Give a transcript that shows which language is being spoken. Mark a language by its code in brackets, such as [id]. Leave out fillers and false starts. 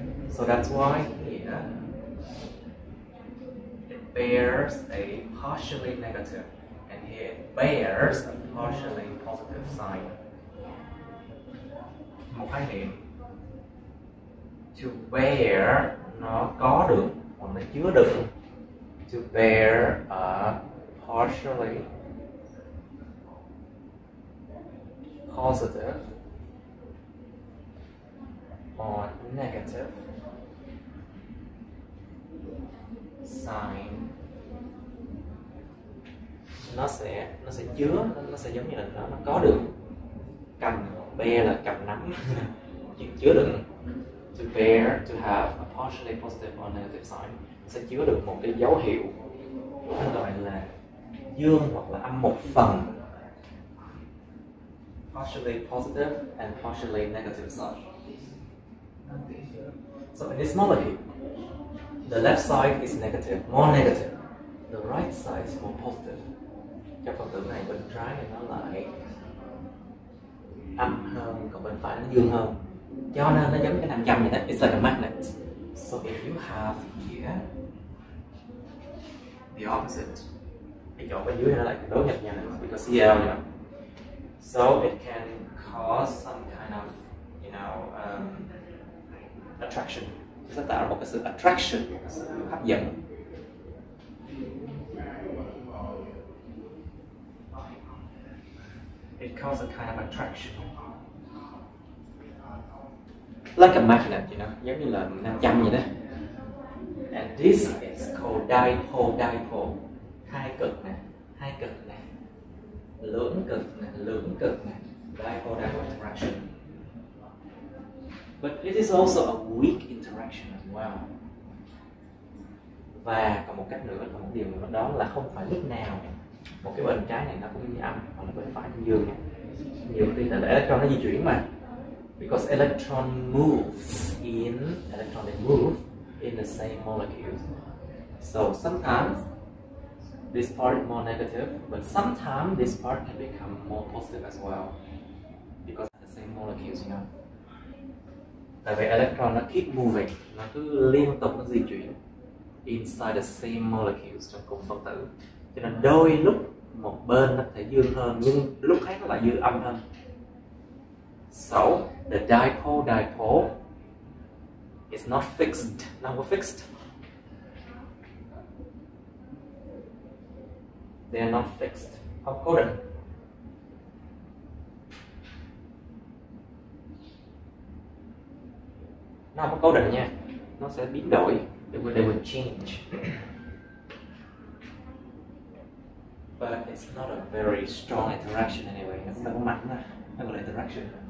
[en] So that's why here it bears a partially negative, and here it bears a partially positive sign. [vi] Một khái niệm. To bear, nó có được hoặc nó chứa được. [en] To bear a partially positive or negative sign. [vi] Nó sẽ chứa, nó sẽ giống như là nó có được, cầm, bear là cầm nắm, chứa đựng. [en] To bear, to have a partially positive or negative sign. [vi] Sẽ chứa được một cái dấu hiệu gọi là dương hoặc là âm một phần. [en] Partially positive and partially negative side. So in this molecule, the left side is negative, more negative. The right side is more positive. [vi] Cho phần tử này bên trái thì nó lại âm hơn, còn bên phải nó dương hơn. Cho nên nó giống cái nam châm vậy đó, [en] it's like a magnet. So if you have here the opposite, [vi] cái chỗ bên dưới nó lại đối nghịch nhau, [en] because Cl, you know. So it can cause some kind of, you know, attraction. [vi] Nó sẽ tạo ra một cái sự attraction, sự hấp dẫn. [en] It causes a kind of attraction. Like a magnet, you know, [vi] giống như là nam châm vậy đó. [en] And this is called dipole, dipole. [vi] Hai cực nè, hai cực nè. Lưỡng cực nè, lưỡng cực nè. [en] Dipole, dipole interaction. But it is also a weak interaction as well. [vi] Và còn một cách nữa, còn một điều nữa đó là không phải lúc nào một cái bên trái này nó cũng như âm, hoặc là bên phải cũng dương. Nhiều khi là electron nó di chuyển mà. [en] Because electron moves in, electron they move in the same molecules. So sometimes this part is more negative, but sometimes this part can become more positive as well. Because the same molecules, you know. [vi] Tại vì electron nó [en] keep moving, [vi] nó cứ liên tục nó di chuyển [en] inside the same molecules [vi] trong cùng phân tử. Cho nên đôi lúc một bên nó thể dương hơn, nhưng lúc khác nó lại dương âm hơn. [en] So, the dipole-dipole It's not fixed. Now we're fixed. They are not fixed. How potent? [vi] Nó không cố định nha, nó sẽ biến đổi, [en] they will change. But it's not a very strong interaction anyway. [vi] Nó không mạnh nha, nó gọi là interaction.